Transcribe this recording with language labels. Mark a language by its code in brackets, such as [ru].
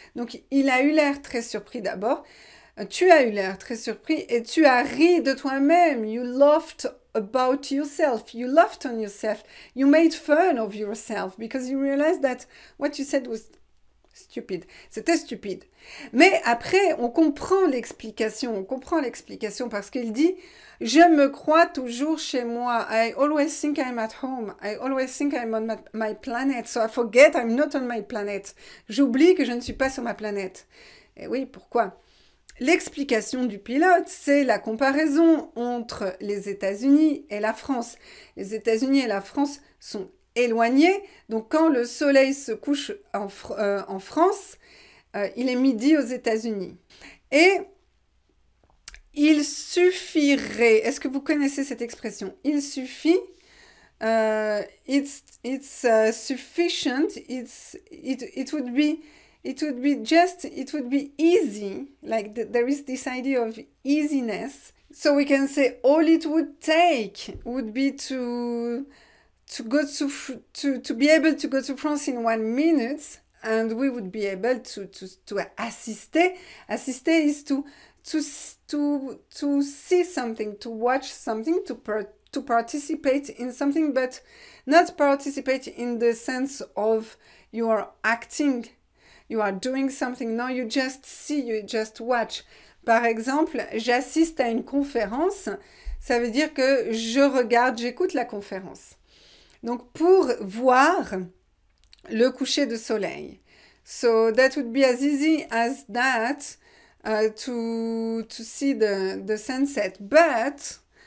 [fr] Donc, il a eu l'air très surpris d'abord. Tu as eu l'air très surpris et tu as ri de toi-même. [en] You laughed about yourself. You laughed on yourself. You made fun of yourself because you realized that what you said was stupid. [fr] C'était stupide. Mais après, on comprend l'explication. On comprend l'explication parce qu'il dit, je me crois toujours chez moi. [en] I always think I'm at home. I always think I'm on my planet. So I forget I'm not on my planet. [fr] J'oublie que je ne suis pas sur ma planète. Et oui, pourquoi? L'explication du pilote, c'est la comparaison entre les États-Unis et la France. Les États-Unis et la France sont éloignés, donc quand le soleil se couche en France, il est midi aux États-Unis. Et il suffirait, est-ce que vous connaissez cette expression? Il suffit, [en] it would be easy, like there is this idea of easiness. So we can say all it would take would be to be able to go to France in 1 minute, and we would be able to assister. Assister is to see something, to watch something, to participate in something, but not participate in the sense of you are acting. You are doing something. No, you just see, you just watch. [fr] Par exemple, j'assiste à une conférence. Ça veut dire que je regarde, j'écoute la conférence. Donc, pour voir le coucher de soleil. [en] So, that would be as easy as that to see the sunset. But